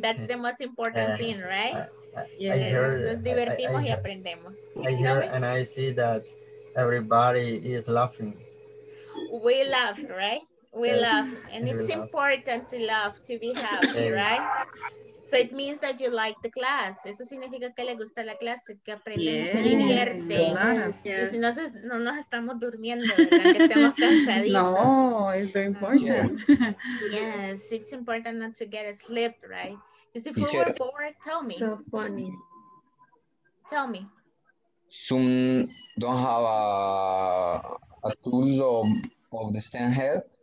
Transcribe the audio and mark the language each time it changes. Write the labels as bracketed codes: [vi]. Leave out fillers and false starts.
[en] That's the most important thing, right? Yes, [es] nos divertimos y aprendemos. [en] I hear and I see that everybody is laughing. We laugh, right? We laugh, and it's important to laugh, to be happy, right? So it means that you like the class. [es] Eso significa que le gusta la clase, que aprende, se divierte. Y si no nos estamos durmiendo, ¿verdad? Que estemos cansaditos. [en] No, it's very important. Yes, it's important not to get asleep, right? Because if we were bored, tell me. So funny. Tell me. Some don't have a tool of the stand head.